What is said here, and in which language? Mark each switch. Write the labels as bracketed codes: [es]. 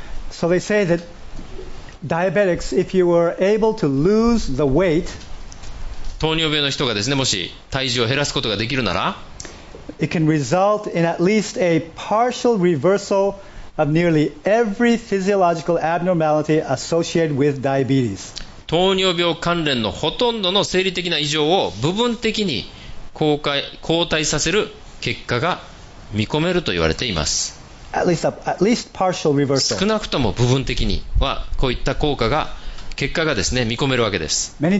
[en] So they say that diabetics, if you were able to lose the weight, [ja] 糖尿病の人がですね、もし体重を減らすことができるなら、 [en] it can result in at least a partial reversal of nearly every physiological abnormality associated with diabetes. [ja] 糖尿病関連のほとんどの生理的な異常を部分的に後退させる結果が見込めると言われています。 [en] at least partial reversal. [ja] 少なくとも部分的にはこういった効果が、結果がですね、見込めるわけです。